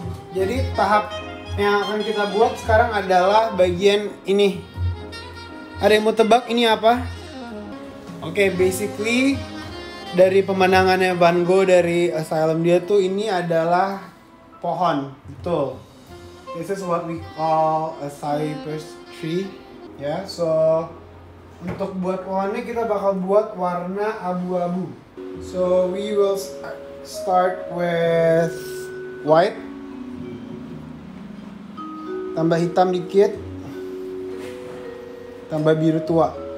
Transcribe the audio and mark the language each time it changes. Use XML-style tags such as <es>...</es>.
<id>Jadi tahap yang akan kita buat sekarang adalah bagian ini. Ada yang mau tebak ini apa? Okay, basically dari pemandangannya Van Gogh dari Asylum dia tuh ini adalah pohon. Betul.</id> <en>This is what we call a cypress tree.</en> <id>Yeah, so untuk buat pohonnya kita bakal buat warna abu-abu.</id> <en>So we will start with white.</en> <id>Tambah hitam dikit, tambah biru tua.</id>